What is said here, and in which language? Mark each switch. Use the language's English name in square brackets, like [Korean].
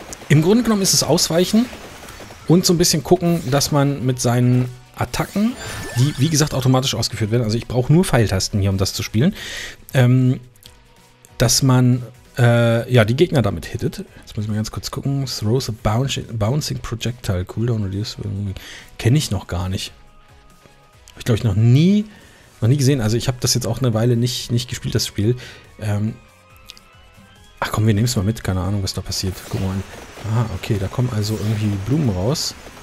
[German] Im Grunde genommen ist es Ausweichen und so ein bisschen gucken, dass man mit seinen Attacken, die, wie gesagt, automatisch ausgeführt werden, also ich brauche nur Pfeiltasten hier, um das zu spielen, dass man die Gegner damit hittet. Jetzt muss ich mal ganz kurz gucken. [English] Throws a bouncing projectile. Cooldown reduce. [German] Kenne ich noch gar nicht. Habe ich, glaube ich, noch nie gesehen. Also ich habe das jetzt auch eine Weile nicht gespielt, das Spiel. Ach komm, wir nehmen es mal mit. Keine Ahnung, was da passiert. Guck mal. Ah, okay. Da kommen also irgendwie Blumen raus.